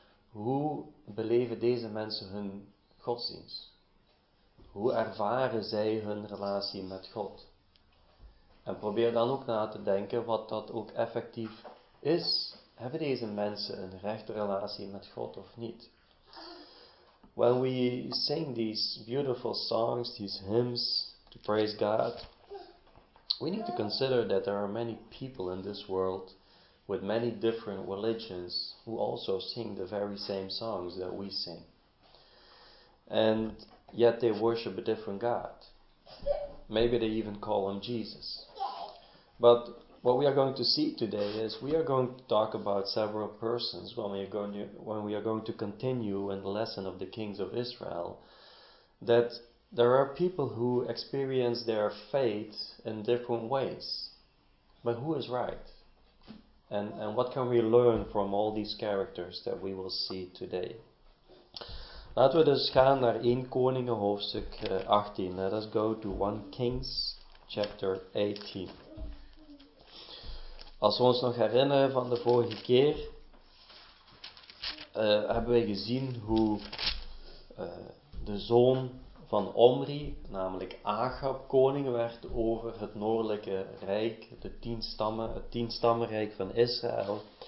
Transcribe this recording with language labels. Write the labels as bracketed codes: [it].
[nl] Hoe beleven deze mensen hun godsdienst? Hoe ervaren zij hun relatie met God? En probeer dan ook na te denken wat dat ook effectief is. Hebben deze mensen een rechte relatie met God of niet? [en] When we sing these beautiful songs, these hymns to praise God, we need to consider that there are many people in this world with many different religions who also sing the very same songs that we sing. And yet they worship a different God. Maybe they even call him Jesus. But what we are going to see today is we are going to talk about several persons when we are going to continue in the lesson of the kings of Israel, that there are people who experience their faith in different ways. But who is right? And what can we learn from all these characters that we will see today? [nl] Laten we dus gaan naar 1 Koningen hoofdstuk 18. [en] Let us go to 1 Kings chapter 18. [nl] Als we ons nog herinneren van de vorige keer, hebben we gezien hoe de zoon van Omri, namelijk Achab, koning werd over het noordelijke rijk, het tienstammenrijk van Israël.